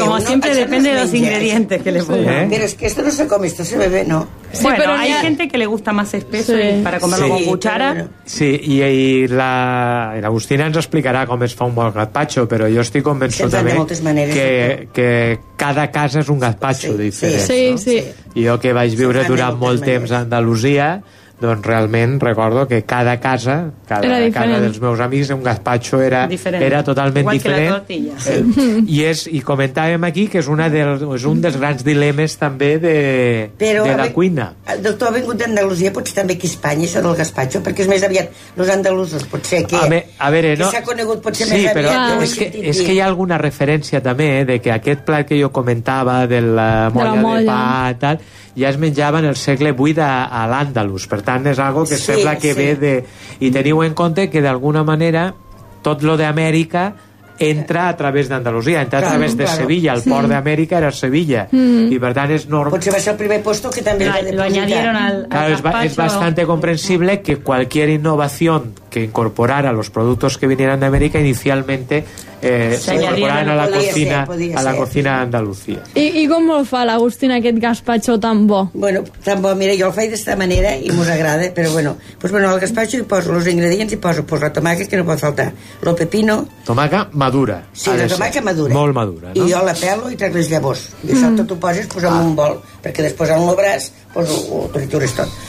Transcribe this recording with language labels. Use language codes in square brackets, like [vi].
[es] Como siempre depende de los ingredientes que le pongan. Pero es que esto no se come, esto se bebe, ¿no? Sí, bueno, pero hay gente que le gusta más espeso para comerlo con cuchara. [ca] Sí, y la Agustina ens explicarà com es fa un bon gazpacho, però jo estic convençut també que cada casa és un gazpacho diferent. Sí. Jo que vaig viure durant molt temps a Andalusia, doncs realment recordo que cada casa, cada dels meus amics, un gazpacho era totalment diferent. Igual que la tortilla. I comentàvem aquí que és un dels grans dilemes també de la cuina. El doctor ha vingut d'Andalusia, potser també aquí a Espanya, això del gazpacho, perquè és més aviat els andalusos, potser que s'ha conegut potser més aviat. Sí, però és que hi ha alguna referència també de que aquest plat que jo comentava de la molla de pa i tal, ja es menjava en el segle VIII a l'Andalus, per tant és algo que sembla que ve de... I teniu en compte que d'alguna manera tot lo d'Amèrica entra a través d'Andalusia, entra a través de Sevilla, el port d'Amèrica era Sevilla, i per tant és normal. Potser va ser el primer puesto que també [es] lo añadieron al gazpacho. És bastante comprensible que cualquier innovación que incorporara los productos que vinieran de América inicialmente se incorporaran a la cocina a la cocina de Andalucía. [ca] I com el fa l'Agustín aquest gazpacho tan bo? Bueno, tan bo, mira, jo el faig d'esta manera i mos agrada, però bueno, pues bueno, el gazpacho hi poso els ingredients, hi poso pues, la tomàquet que no pot faltar, el pepino, tomàquet madura, sí, la tomàquet madura, molt madura, no? I jo la pelo i trec les llavors i això tot ho poses pues, en un bol perquè després en lo braç pues, ho tritures tot.